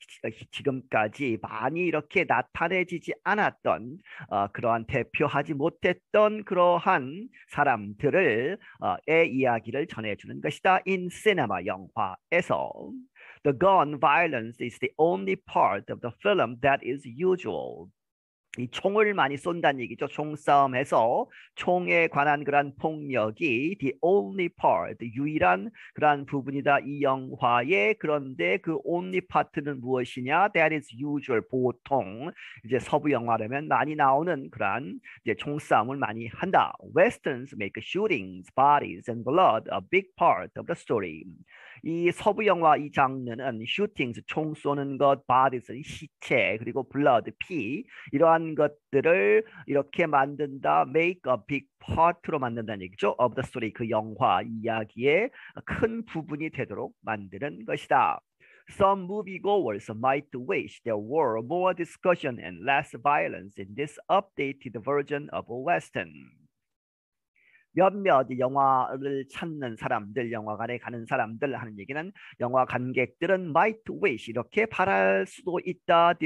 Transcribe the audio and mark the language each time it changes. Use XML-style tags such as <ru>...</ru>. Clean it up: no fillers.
<ko>지금까지 많이 이렇게 나타내지지 않았던 그러한 대표하지 못했던 그러한 사람들을 애 이야기를 전해주는 것이다.</ko> <en>In cinema</en> <ko>영화에서</ko> <en>The gun violence is the only part of the film that is usual.</en> <ko>이 총을 많이 쏜다는 얘기죠. 총싸움에서 총에 관한 그러한 폭력이</ko> <en>the only part,</en> <ko>유일한 그러한 부분이다. 이 영화의 그런데 그</ko> <en>only part</en> <ko>는 무엇이냐?</ko> <en>That is usual.</en> <ko>보통 이제 서부 영화라면 많이 나오는 그러한 이제 총싸움을 많이 한다.</ko> <en>Westerns make shootings, bodies and blood a big part of the story.</en> <ko>이 서부 영화 이 장르는 슈팅스 총 쏘는 것, 바디스 시체 그리고 블러드 피 이러한 것들을 이렇게 만든다,</ko> <en>make a big part</en> <ko>로 만든다는 얘기죠.</ko> <en>of the story</en> <ko>그 영화 이야기의 큰 부분이 되도록 만드는 것이다.</ko> <en>Some moviegoers might wish there were more discussion and less violence in this updated version of a western.</en> <ko>몇몇 영화를 찾는 사람들, 영화관에 가는 사람들 하는 얘기는 영화 관객들은</ko> <en>might wish</en> <ko>이렇게 바랄 수도 있다.</ko>